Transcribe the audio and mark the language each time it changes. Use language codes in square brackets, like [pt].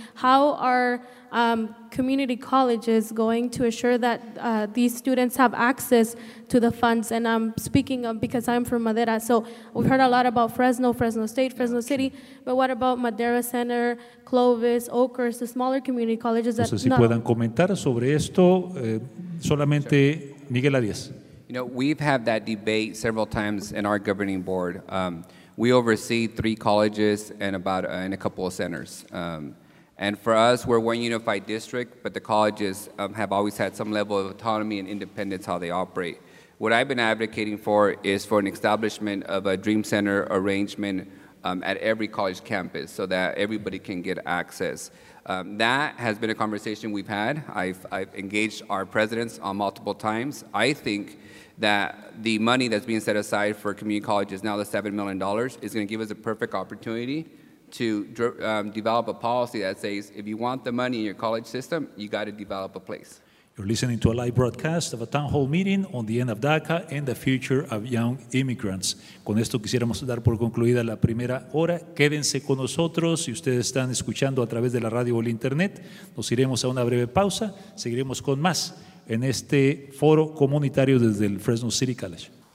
[en] How are community colleges going to assure that these students have access to the funds? And I'm speaking of, because I'm from Madera, so we've heard a lot about Fresno, Fresno State, Fresno City, but what about Madera Center, Clovis, Oakhurst, the smaller community colleges that [es] no sé si puedan comentar sobre esto, solamente sure. Miguel Arias. [en] You know, we've had that debate several times in our governing board. We oversee three colleges and about and a couple of centers. And for us, we're one unified district, but the colleges have always had some level of autonomy and independence how they operate. What I've been advocating for is for an establishment of a Dream Center arrangement at every college campus so that everybody can get access. That has been a conversation we've had. I've engaged our presidents on multiple times. I think that the money that's being set aside for community colleges, now the $7 million, is going to give us a perfect opportunity to develop a policy that says, if you want the money in your college system, you got to develop a place. You're listening to a live broadcast of a town hall meeting on the end of DACA and the future of young immigrants. [es] Con esto quisiéramos dar por concluida la primera hora. Quédense con nosotros. Si ustedes están escuchando a través de la radio o el internet, nos iremos a una breve pausa. Seguiremos con más en este foro comunitario desde el Fresno City College.